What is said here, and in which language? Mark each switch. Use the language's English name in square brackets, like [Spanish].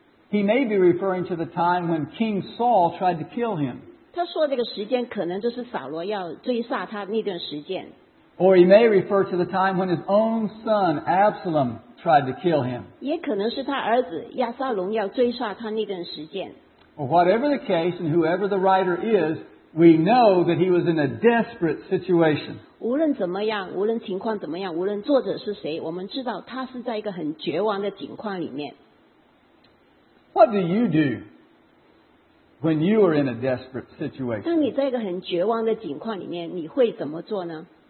[English] He may be referring to the time when King Saul tried to kill him. [Chinese] 他说这个时间可能就是扫罗要追杀他那段时间。 [English] Or he may refer to the time when his own son Absalom tried to kill him. [Chinese] 也可能是他儿子亚撒龙要追杀他那段时间。 [English] Well, whatever the case and whoever the writer is, we know that he was in a desperate situation. [Chinese] 无论怎么样，无论情况怎么样，无论作者是谁，我们知道他是在一个很绝望的境况里面。 [English] What do you do when you are in a desperate situation? [Chinese] 当你在一个很绝望的境况里面，你会怎么做呢？